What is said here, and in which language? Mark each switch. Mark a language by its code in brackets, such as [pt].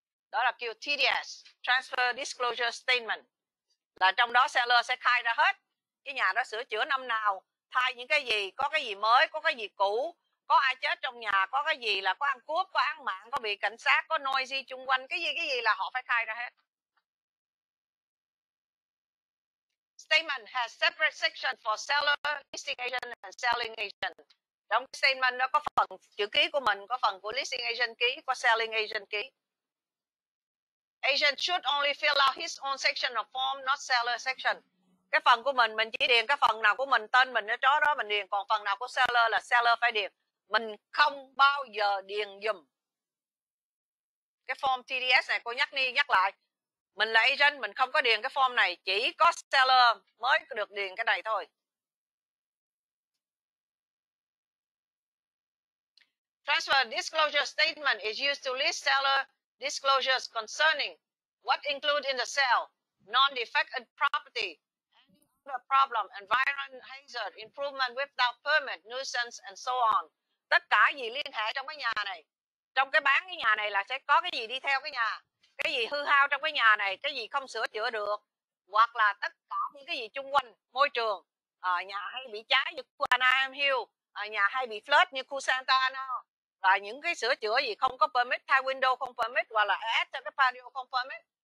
[vi] Đó là kêu TDS, Transfer Disclosure Statement, là trong đó seller sẽ khai ra hết cái nhà đó sửa chữa năm nào, thay những cái gì, có cái gì mới, có cái gì cũ, có ai chết trong nhà, có cái gì là có ăn cướp, có án mạng, có bị cảnh sát, có noisy chung quanh, cái gì là họ phải khai ra hết. [en] Statement has separate section for seller, listing agent and selling agent. [vi] Trong statement đó có phần chữ ký của mình, có phần của listing agent ký, có selling agent ký. [en] Agent should only fill out his own section of form, not seller section. [vi] Cái phần của mình chỉ điền cái phần nào của mình, tên mình ở chỗ đó mình điền, còn phần nào của seller là seller phải điền. Mình không bao giờ điền dùm. Cái form TDS này cô nhắc đi nhắc lại. Mình là agent, mình không có điền cái form này, chỉ có seller mới được điền cái này thôi. [en] Transfer disclosure statement is used to list seller disclosures concerning what include in the sale, non-defected property, a problem, environment hazard, improvement without permit, nuisance and so on. [vi] Tất cả gì liên hệ trong cái nhà này, trong cái bán cái nhà này là sẽ có cái gì đi theo cái nhà, cái gì hư hao trong cái nhà này, cái gì không sửa chữa được, hoặc là tất cả những cái gì chung quanh, môi trường, nhà hay bị cháy như khu Anaheim Hill, nhà hay bị flood như khu Santa Ana, và những cái sửa chữa gì không có permit, thay window không permit, hoặc là add cho cái patio không permit.